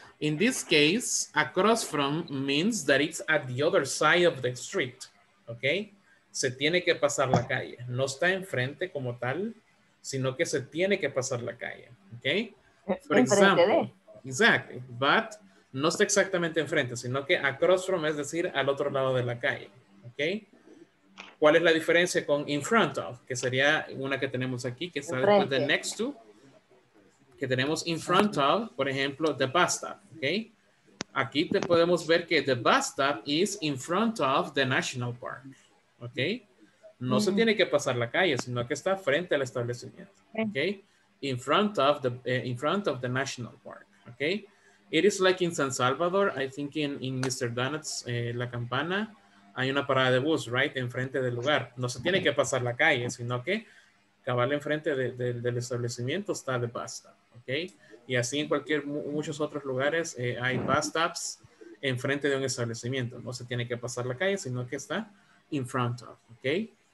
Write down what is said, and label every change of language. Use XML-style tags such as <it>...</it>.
<en>In this case, across from means that it's at the other side of the street, okay?</en> <es>Se tiene que pasar la calle. No está enfrente como tal, sino que se tiene que pasar la calle, okay?</es> <en>For example, exactly, but</en> <es>no está exactamente enfrente, sino que across from es decir al otro lado de la calle, okay? ¿Cuál es la diferencia con in front of? Que sería una que tenemos aquí, que está después de next to. Que tenemos</es> <en>in front of,</en> <es>por ejemplo,</es> <en>the bus stop, okay?</en> <es>Aquí te podemos ver que</es> <en>the bus stop is in front of the national park, okay?</en> <es>No se tiene que pasar la calle, sino que está frente al establecimiento, okay?</es> <en>In front of the national park, okay? It is like in San Salvador, I think in Mr.</en> <es>Donut's La Campana, hay una parada de bus, right, enfrente del lugar. No se tiene que pasar la calle, sino que cabal enfrente del establecimiento está de bus stop, okay? Y así en cualquier muchos otros lugares hay bus stops enfrente de un establecimiento. No se tiene que pasar la calle, sino que está in front of, okay?</es>